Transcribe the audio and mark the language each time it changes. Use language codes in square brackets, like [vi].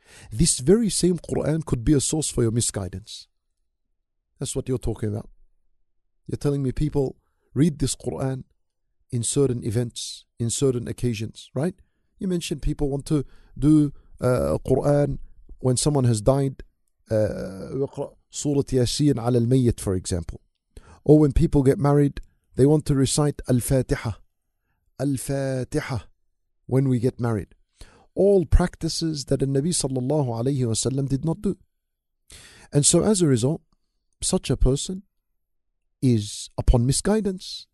[en] This very same Qur'an could be a source for your misguidance. That's what you're talking about. You're telling me people read this Qur'an in certain events, in certain occasions, right? You mentioned people want to do Qur'an when someone has died. [ar] يقرأ سورة ياسين على الميت, [en] for example. Or when people get married, they want to recite Al-Fatiha. Al-Fatiha, when we get married. All practices that the Nabi sallallahu alayhi wa sallam did not do. And so as a result, such a person is upon misguidance.